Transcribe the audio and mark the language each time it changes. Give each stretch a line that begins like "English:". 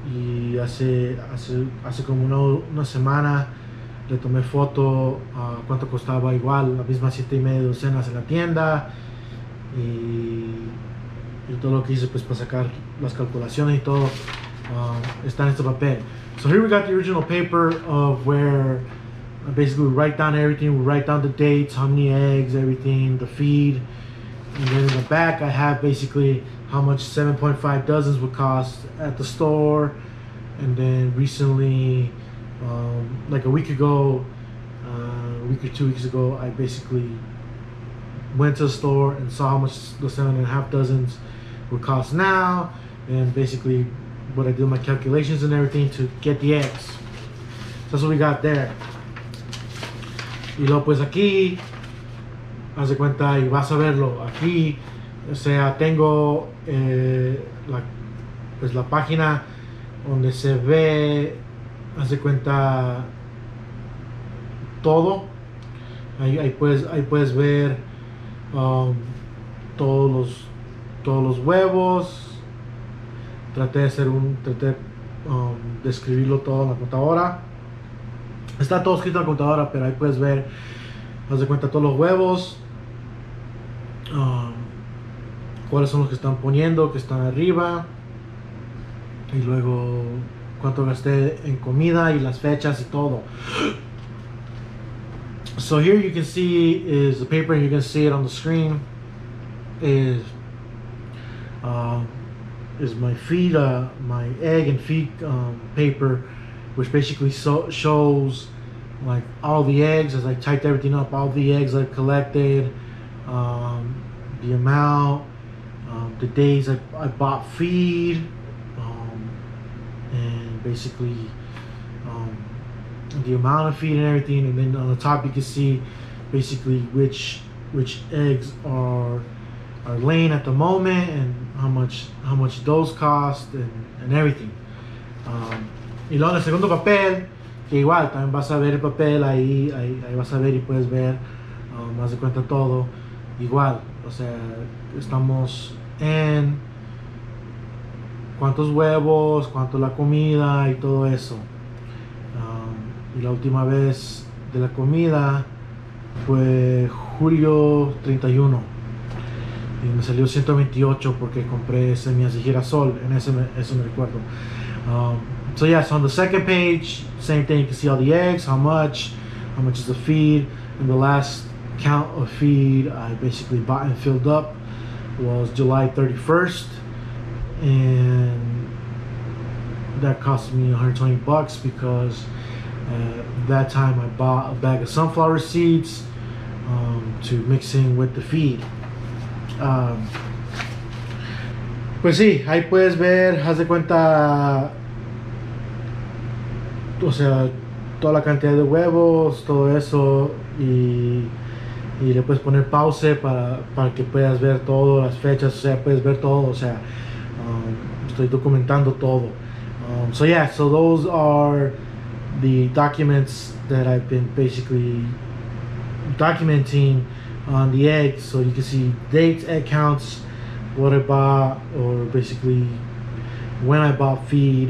Spanish: Y hace como una semana le tomé foto a cuánto costaba igual la misma 7 y media docenas en la tienda, y todo lo que hice pues para sacar las calculaciones y todo está en este papel.
English: So here we got the original paper of where I basically write down everything. We write down the dates, how many eggs, everything, the feed. And then in the back I have basically how much 7.5 dozens would cost at the store. And then recently, like a week ago, a week or 2 weeks ago, I basically went to the store and saw how much the 7.5 dozens would cost now, and basically but I did my calculations and everything to get the eggs. So that's what we got there.
Spanish: Y luego pues aquí, haz de cuenta y vas a verlo. Aquí, o sea, tengo la, pues la página donde se ve, haz de cuenta, todo. Ahí puedes ver todos los huevos. Traté de hacer un, traté de escribirlo todo en la computadora. Está todo escrito en la computadora, pero ahí puedes ver, haz de cuenta, todos los huevos, cuáles son los que están poniendo, que están arriba, y luego cuánto gasté en comida y las fechas y todo.
English: So here you can see is the paper, you can see it on the screen, is my feed, my egg and feed paper, which basically shows like all the eggs as I typed everything up, all the eggs I've collected, the amount, the days I bought feed, and basically the amount of feed and everything. And then on the top you can see basically which eggs are laying at the moment and how much those cost and everything.
Spanish: Y luego en el segundo papel, que igual también vas a ver el papel ahí vas a ver y puedes ver más de cuenta todo igual, o sea, estamos en cuántos huevos, cuánto la comida y todo eso. Y la última vez de la comida fue julio 31 y me salió 128 porque compré semillas de girasol, en eso me recuerdo.
English: So yeah, so on the second page, same thing, you can see all the eggs, how much is the feed, and the last count of feed I basically bought and filled up was July 31st, and that cost me $120 because that time I bought a bag of sunflower seeds to mix in with the feed.
Spanish: Pues sí, ahí puedes ver, haz de cuenta, o sea, toda la cantidad de huevos, todo eso, y le puedes poner pause para que puedas ver todo, las fechas, o sea, puedes ver todo, o sea, estoy documentando todo.
English: So yeah, so those are the documents that I've been basically documenting on the eggs, so you can see dates, egg counts, what I bought, or basically when I bought feed.